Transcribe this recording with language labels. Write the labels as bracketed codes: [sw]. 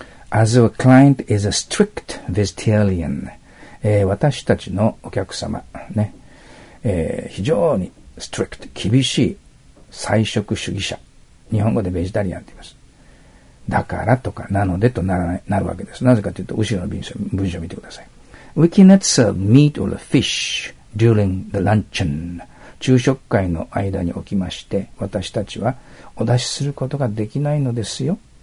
[en] As a client is a strict vegetarian、 [ja] 私たちのお客様、ね、非常に strict、厳しい、菜食主義者。日本語でベジタリアンって言います。だからとか、なのでとならない、なるわけです。なぜかというと、後ろの文章を見てください。 [en] We cannot serve meat or fish during the luncheon. [ja] 昼食会の間におきまして、私たちはお出しすることができないのですよ。